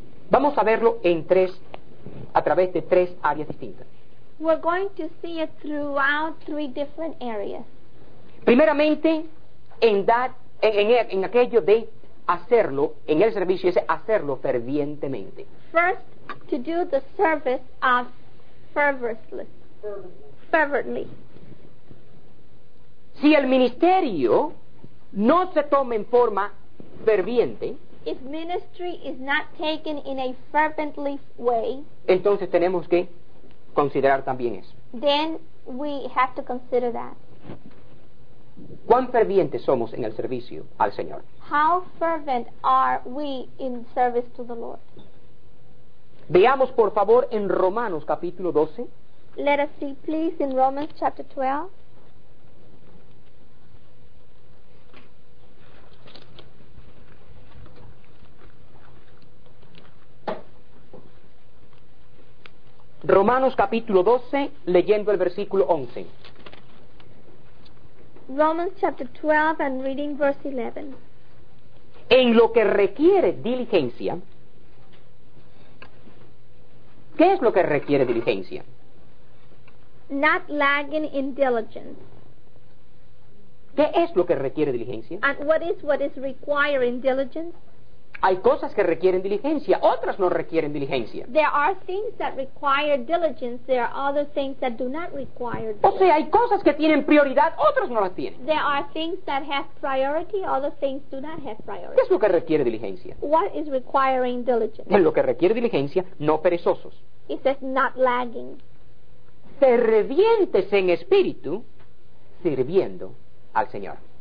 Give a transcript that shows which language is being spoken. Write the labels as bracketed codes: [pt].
[es] Vamos a verlo en tres, a través de tres áreas distintas. [en] We're going to see it throughout three different areas. [es] Primeramente, en aquello de hacerlo, en el servicio ese, hacerlo fervientemente. [en] First, to do the service of fervently. Fervently. [es] Si el ministerio no se toma en forma ferviente, [en] if ministry is not taken in a fervently way, [es] entonces tenemos que considerar también eso. [en] Then we have to consider that. [es] ¿Cuán fervientes somos en el servicio al Señor? [en] How fervent are we in service to the Lord? [es] Veamos por favor en Romanos capítulo 12. [en] Let us see please in Romans chapter 12. [es] Romanos capítulo 12, leyendo el versículo 11. [en] Romans chapter 12 and reading verse 11. [es] En lo que requiere diligencia. ¿Qué es lo que requiere diligencia? [en] Not lagging in diligence. [es] ¿Qué es lo que requiere diligencia? [en] And what is requiring diligence? [es] Hay cosas que requieren diligencia, otras no requieren diligencia. [en] There are things that require diligence, there are other things that do not require diligence. [es] O sea, hay cosas que tienen prioridad, otras no las tienen. [en] There are things that have priority, other things do not have priority. [es] ¿Qué es lo que requiere diligencia? [en] What is requiring diligence? [es] Es lo que requiere diligencia, no perezosos. [en] It says not lagging. [es] Fervientes en espíritu, sirviendo al Señor.